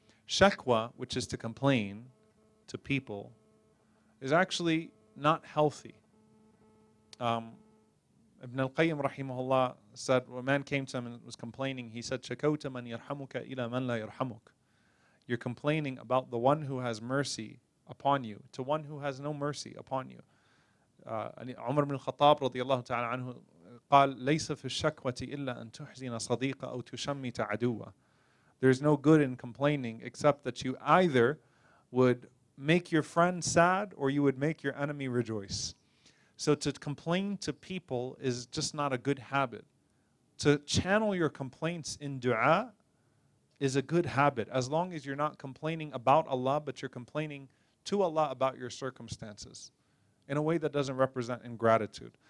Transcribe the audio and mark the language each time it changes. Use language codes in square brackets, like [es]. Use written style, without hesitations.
[en] Shakwa, which is to complain to people, is actually not healthy. Ibn al-Qayyim rahimahullah said, when a man came to him and was complaining, he said, [ar] Shakawta man yarhamuka ila man la yarhamuk. [en] You're complaining about the one who has mercy upon you to one who has no mercy upon you. [ar] Umar ibn al-Khattab radiallahu ta'ala anhu قال ليس في الشكوة إلا أن تحزن صديقة أو تشمت عدوة. [en] There's no good in complaining except that you either would make your friend sad or you would make your enemy rejoice. So to complain to people is just not a good habit. To channel your complaints in dua is a good habit, as long as you're not complaining about Allah, but you're complaining to Allah about your circumstances in a way that doesn't represent ingratitude.